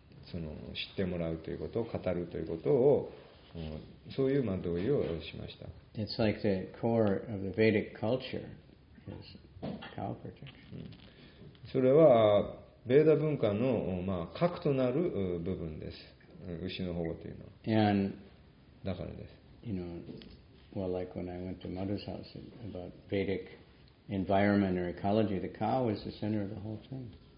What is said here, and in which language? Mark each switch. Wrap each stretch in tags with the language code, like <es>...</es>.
<ja>その知ってもらうということを語るということをそういうまあ同意をしました。</ja> <en>It's like the core of the Vedic culture is cow protection.</en> <ja>それはベーダ文化の、まあ、核となる部分です。牛の保護というのは。</ja> <en>And</en> <ja>だからです。</ja> <en>You know, well, like when I went to Mother's house about Vedic environment or ecology, the cow is the center of the whole thing.</en>